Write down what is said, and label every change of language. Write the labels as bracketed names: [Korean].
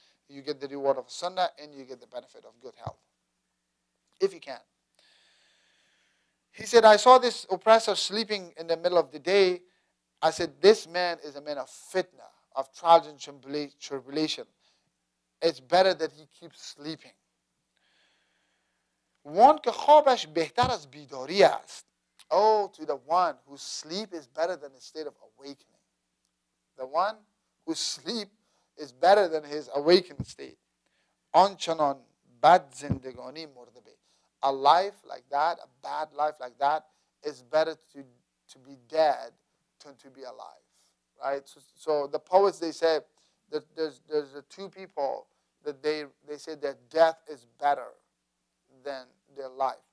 [English] You get the reward of sunnah, and you get the benefit of good health, if you can. He said, I saw this oppressor sleeping in the middle of the day. I said, this man is a man of fitna, of trials and tribulation. It's better that he keeps sleeping. [Persian] One که خوابش بهتر از بیداری است. [English] Oh, to the one whose sleep is better than his state of awakening. The one whose sleep is better than his awakened state. [Persian] آنچنان بد زندگانی مرده به. [English] A life like that, a bad life like that, is better to be dead than to be alive. Right? So the poets, they say that there's the two people that they say that death is better than their life.